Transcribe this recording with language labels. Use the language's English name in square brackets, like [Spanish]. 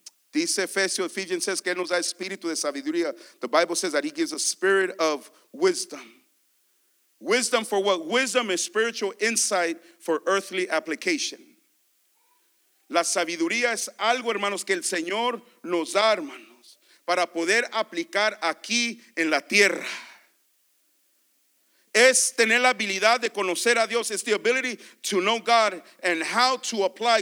[Spanish] Dice Ephesians says que él nos da espíritu de sabiduría. [English] The Bible says that he gives a spirit of wisdom. Wisdom for what? Wisdom is spiritual insight for earthly application. [Spanish] La sabiduría es algo, hermanos, que el Señor nos da, hermanos, para poder aplicar aquí en la tierra. Es tener la habilidad de conocer a Dios. [English] It's the ability to know God and how to apply.